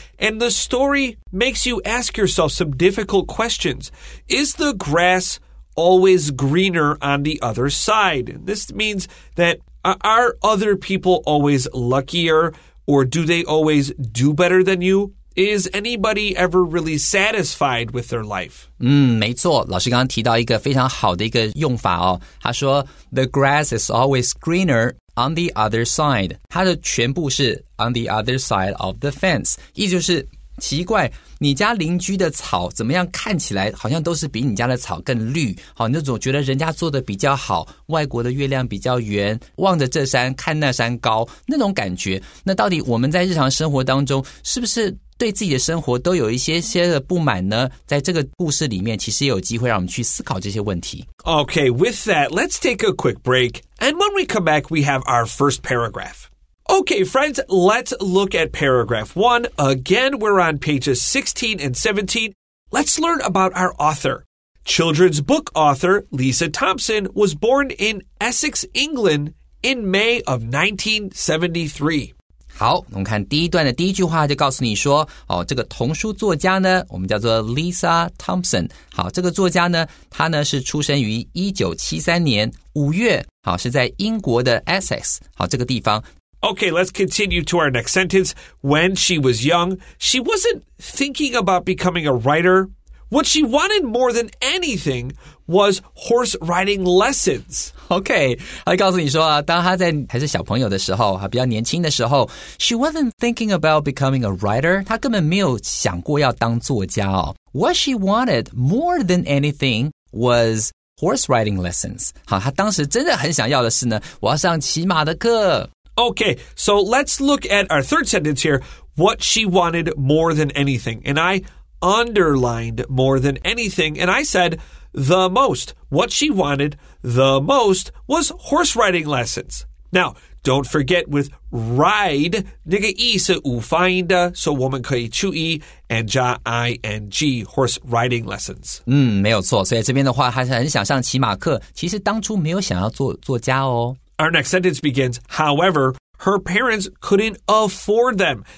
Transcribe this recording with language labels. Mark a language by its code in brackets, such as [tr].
[en] And the story makes you ask yourself some difficult questions. Is the grass always greener on the other side? This means that are other people always luckier, or do they always do better than you? Is anybody ever really satisfied with their life? [zh] 没错，老师刚刚提到一个非常好的一个用法哦。他说 [en] ,the grass is always greener on the other side. [zh] 他的全部是 [en] on the other side of the fence. [zh] 意思就是奇怪，你家邻居的草怎么样看起来好像都是比你家的草更绿。好，你就总觉得人家做的比较好，外国的月亮比较圆，望着这山看那山高，那种感觉。那到底我们在日常生活当中是不是对自己的生活都有一些些的不满呢？在这个故事里面，其实也有机会让我们去思考这些问题。 [en] Okay, with that, let's take a quick break. And when we come back, we have our first paragraph. Okay, friends, let's look at paragraph one. Again, we're on pages 16 and 17. Let's learn about our author. Children's book author Lisa Thompson was born in Essex, England in May of 1973. [zh] 好，我们看第一段的第一句话就告诉你说，哦，这个童书作家呢，我们叫做 Lisa Thompson。好，这个作家呢，他呢是出生于1973年5月，好，是在英国的 Essex， 好，这个地方。 [en] Okay, let's continue to our next sentence. When she was young, she wasn't thinking about becoming a writer. What she wanted more than anything was horse riding lessons. [zh] OK, 他告诉你说啊，当他在还是小朋友的时候，比较年轻的时候， [en] She wasn't thinking about becoming a writer. [zh] 他根本没有想过要当作家哦。 [en] What she wanted more than anything was horse riding lessons. [zh] 好，他当时真的很想要的是呢，我要上骑马的课。 [en] OK, so let's look at our third sentence here. What she wanted more than anything. And I underlined more than anything. And I said... The most, what she wanted the most was horse riding lessons. Now, don't forget with ride, [zh] 那个意是五发音的，所以我们可以注意 [en] and 加 ing, horse riding lessons. [zh] 没有错，所以这边的话还是很想上骑马课，其实当初没有想要做作家哦。 [en] Our next sentence begins, however, her parents couldn't afford them.